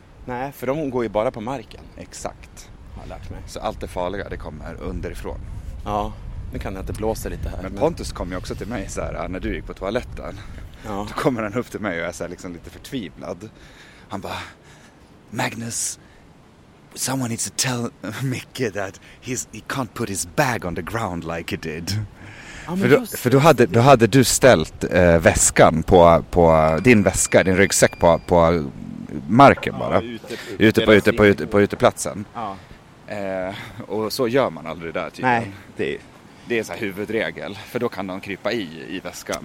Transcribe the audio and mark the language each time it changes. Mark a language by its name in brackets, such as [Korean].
[Swedish] Nej, för de går ju bara på marken. Exakt. Jag har lärt mig. Så allt det farliga, det kommer underifrån. Ja, nu kan det inte blåsa lite här. Men Pontus kom ju också till mig så här när du gick på toaletten. Ja. Då kommer han upp till mig och är så här liksom lite förtvivlad. Han bara, Magnus... [English] Someone needs to tell Micke that he can't put his bag on the ground like he did. [Swedish] Ja, för då, hade du ställt väskan på din väska, din ryggsäck på marken bara. Ja, ute på uteplatsen. Ja. Och så gör man aldrig där typ. Nej, det är så här huvudregel, för då kan de krypa i väskan.